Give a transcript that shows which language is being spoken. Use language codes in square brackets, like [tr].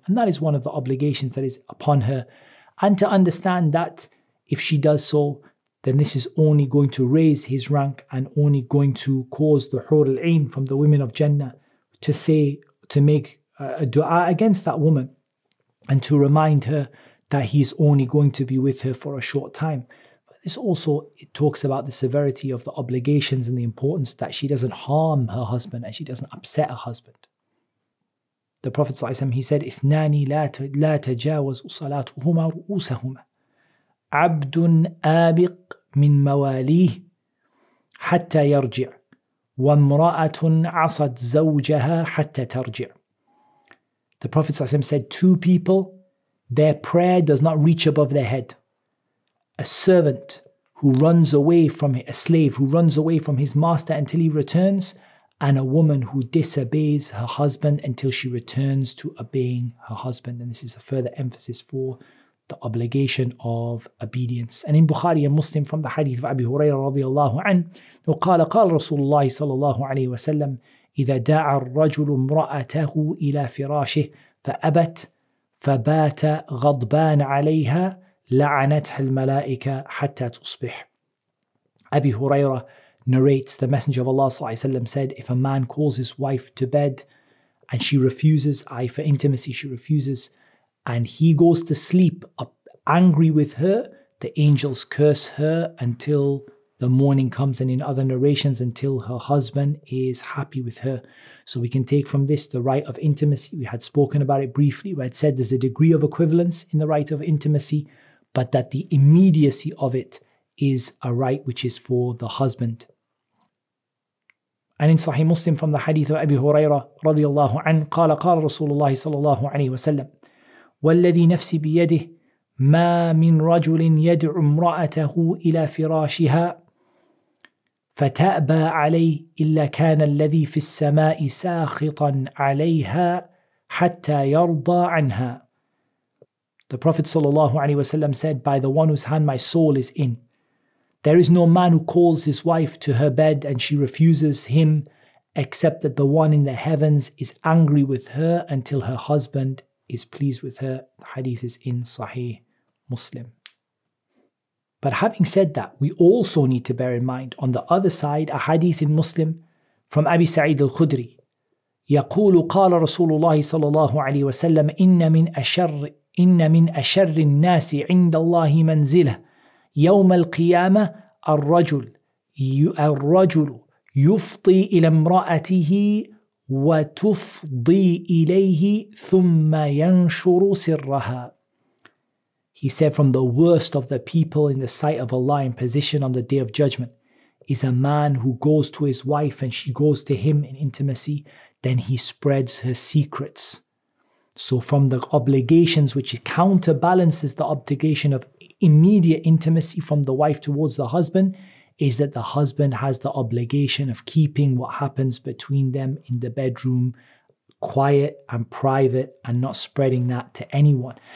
[en] And that is one of the obligations that is upon her. And to understand that if she does so, then this is only going to raise his rank and only going to cause the Hur al-Ain from the women of Jannah to say, to make a dua against that woman and to remind her that he's only going to be with her for a short time. This also, it talks about the severity of the obligations and the importance that she doesn't harm her husband and she doesn't upset her husband. The Prophet ﷺ, he said, [ar] اثنان لا تجاوز صلاتهما رؤوسهما عبد آبق من مواليه حتى يرجع وامرأة عصت زوجها حتى ترجع. [en] The Prophet ﷺ said, two people, their prayer does not reach above their head. A servant who runs away from a slave who runs away from his master until he returns, and a woman who disobeys her husband until she returns to obeying her husband. And this is a further emphasis for the obligation of obedience. And in Bukhari and Muslim, from the hadith of Abi Hurairah radiallahu anhu, [ar] قال رسول الله صلى الله عليه وسلم إذا دعا الرجل امرأته إلى فراشه فأبت فبات غضبان عليها لعنتها الملائكة حتى تصبح. [en] Abi Hurairah narrates, the Messenger of Allah sallallahu alaihi wasallam said, if a man calls his wife to bed and she refuses, I for intimacy, she refuses, and he goes to sleep angry with her, the angels curse her until the morning comes, and in other narrations, until her husband is happy with her. So we can take from this the right of intimacy. We had spoken about it briefly. We had said there's a degree of equivalence in the right of intimacy, but that the immediacy of it is a right which is for the husband. And in Sahih Muslim, from the hadith of Abi Hurairah radiallahu an, [ar] قال رسول الله صلى الله عليه وسلم والذي نفسي بيده ما من رجل يدعو امرأته إلى فراشها فتأبى عليه إلا كان الذي في السماء ساخطا عليها حتى يرضى عنها. [en] The Prophet sallallahu alaihi wasallam said, by the one whose hand my soul is in, there is no man who calls his wife to her bed and she refuses him, except that the one in the heavens is angry with her until her husband is pleased with her. The hadith is in Sahih Muslim. But having said that, we also need to bear in mind, on the other side, a hadith in Muslim from Abi Sa'id al-Khudri. [ar] يقول قال رسول الله صلى الله عليه وسلم إن من أشر الناس عند الله منزله يوم القيامة الرجل يفضي إلى امرأته وتفضي إليه ثم ينشر سرها. [en] He said, from the worst of the people in the sight of Allah in position on the Day of Judgment is a man who goes to his wife and she goes to him in intimacy, then he spreads her secrets. So from the obligations which counterbalances the obligation of immediate intimacy from the wife towards the husband is that the husband has the obligation of keeping what happens between them in the bedroom quiet and private and not spreading that to anyone.